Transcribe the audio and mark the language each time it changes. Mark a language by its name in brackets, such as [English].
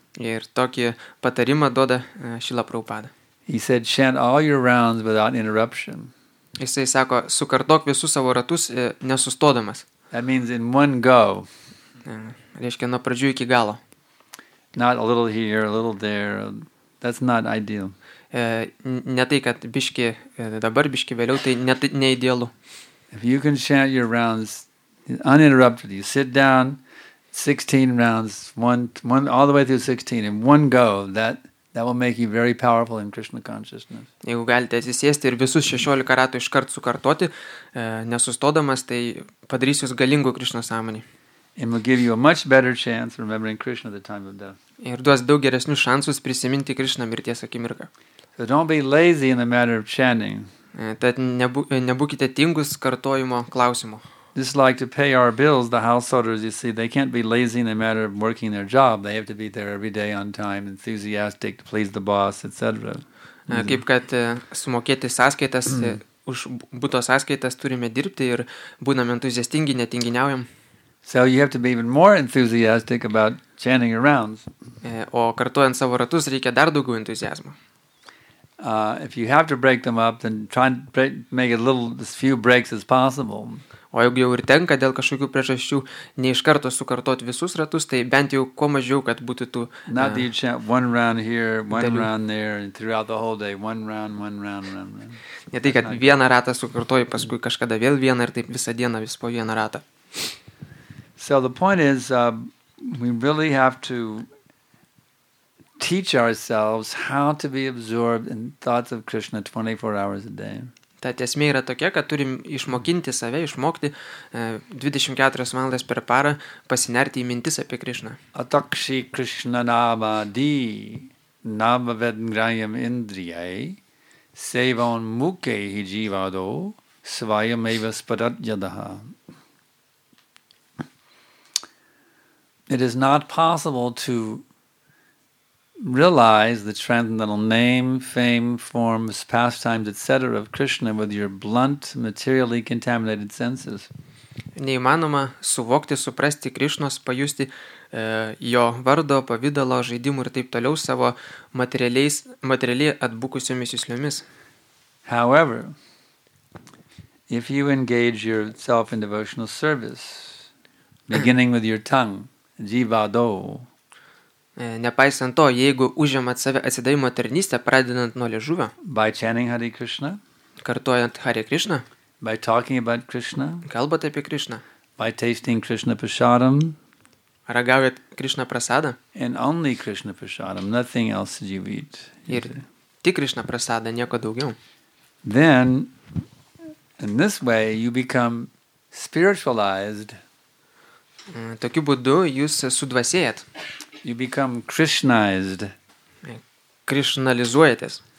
[Lithuanian] Ir tokį patarimą duoda Šila Prabhupada. [English] He said, chant all your rounds without interruption. [Lithuanian] Jisai sako, sukartok visus savo ratus nesustodamas. [English] That means in one go. [Lithuanian] Reiškia, nuo pradžių iki galo. [English] Not a little here, a little there. That's not ideal. [Lithuanian] Ne tai, kad biški dabar, biški vėliau, tai ne idealu. [English] If you can chant your rounds uninterrupted, you sit down 16 rounds, one all the way through 16 in one go, that will make you very powerful in Krishna consciousness. [Lithuanian] Jeigu galite atsisėsti ir visus 16 ratų iškart sukartoti, nesustodamas, tai padarys jūs galingu Krishna sąmonį. [English] It will give you a much better chance remembering Krishna at the time of death. [Lithuanian] Ir duos daug geresnius šansus prisiminti Krishna mirties akimirką. [English] So don't be lazy in the matter of chanting. [Lithuanian] Tad nebūkite tingus kartojimo klausimo. [English] Just like to pay our bills, the householders, you see, they can't be lazy in the matter of working their job. They have to be there every day on time, enthusiastic, to please the boss, etc. [Lithuanian] Kaip kad sumokėti sąskaitas, už buto sąskaitas turime dirbti ir būname entuziastingi, netinginiaujam. [English] So you have to be even more enthusiastic about chanting your rounds. [Lithuanian] O kartuojant savo ratus reikia dar daugiau entuziazmo. [English] If you have to break them up, then try and make as few breaks as possible. [Lithuanian] O jeigu jau ir tenka dėl kažkokių priežasčių ne iš karto sukartoti visus ratus, tai bent jau kuo mažiau, kad būtų tu... [English] Not that you chant one round here, one [Lithuanian] dalių. [English] Round there, and throughout the whole day, one round. [Lithuanian] Ne tai, kad vieną ratą sukartoji, paskui kažkada vėl vieną ir taip visą dieną vis po vieną ratą. [English] So the point is, we really have to teach ourselves how to be absorbed in thoughts of Krishna 24 hours a day. [Lithuanian] Ta esmė yra tokia, kad turim išmokinti save, išmokti 24 valandas per parą pasinerti į mintis apie Krishna. [Sanskrit] Atakshi Krishna nama di nama vedngrayam indriyai sevon muke hi jivado svayam eva spadajadaha. [English] It is not possible to realize the transcendental name, fame, forms, pastimes, etc. of Krishna with your blunt, materially contaminated senses. [Lithuanian] Neįmanoma suvokti, suprasti Krishnos, pajusti jo vardo, pavidalo, žaidimų ir taip toliau savo materialiai atbukusiomis jusliomis. [English] However, if you engage yourself in devotional service, beginning with your tongue, jivado. [Lithuanian] Nepaisant to, jeigu užėmat save atsidavimo tarnystę, pradedant nuo liežuvio, [English] by chanting Hare Krishna, [Lithuanian] kartuojant Hare Krishna, [English] by talking about Krishna, [Lithuanian] kalbat apie Krishna, [English] by tasting Krishna prasadam, [Lithuanian] ragaujat Krishna prasadą, [English] and only Krishna prasadam, nothing else did you eat. [Lithuanian] Ir tik Krishna prasadą, nieko daugiau. [English] Then, in this way, you become spiritualized. [Lithuanian] Tokiu būdu jūs sudvasėjat. [English] You become Krishnized. [Lithuanian] Krishnalizuojatės.